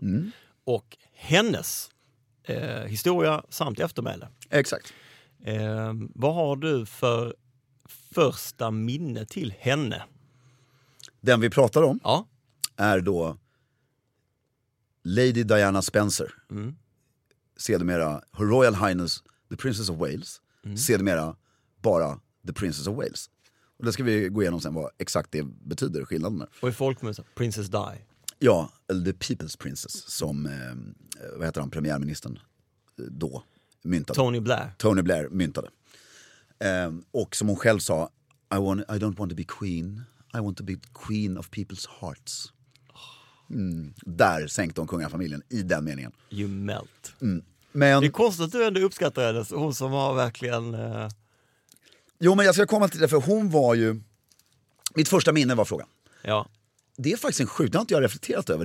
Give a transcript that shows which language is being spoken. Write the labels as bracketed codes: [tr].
[sv] Mm. Och hennes historia samt eftermäle. Exakt. Vad har du för första minne till henne? Den vi pratar om, ja, är då Lady Diana Spencer. Mm. Sedermera Her Royal Highness the Princess of Wales. Mm. Sedermera bara the Princess of Wales. Och det ska vi gå igenom sen vad exakt det betyder, skillnaden. Och i folkmun så Princess Di. Ja, eller the People's Princess som vad heter han, premiärministern då. Myntade. Tony Blair myntade. Och som hon själv sa, [en] I don't want to be queen, I want to be queen of people's hearts. [sv] Där sänkte hon kungafamiljen i den meningen. [en] You melt. [sv] Mm. Men det är konstigt att du ändå uppskattar henne, hon som har verkligen Jo, men jag ska komma till det, för hon var ju mitt första minne var frågan. Ja. Det är faktiskt en sjukt, det har inte jag reflekterat över.